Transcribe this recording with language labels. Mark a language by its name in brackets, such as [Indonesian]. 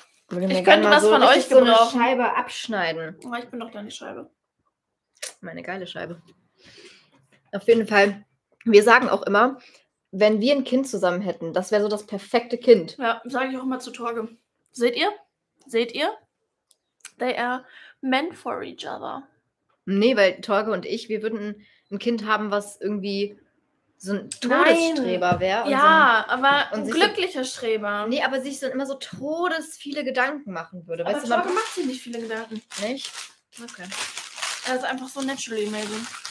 [German] Ich könnte was von euch gebrauchen. So eine Scheibe abschneiden. Oh, ich bin doch deine Scheibe. Meine geile Scheibe. Auf jeden Fall, wir sagen auch immer, wenn wir ein Kind zusammen hätten, das wäre so das perfekte Kind. Ja, sage ich auch immer zu Torge. Seht ihr? Seht ihr? [English] They are meant for each other. [German] Nee, weil Torge und ich, wir würden ein Kind haben, was irgendwie so ein Todesstreber wäre. Ja, so ein, aber ein glücklicher so, Streber. Nee, aber sich so immer so todesviele Gedanken machen würde. Aber weißt du, Torge macht sich nicht viele Gedanken. Nicht? Okay. Er ist einfach so [English] naturally amazing.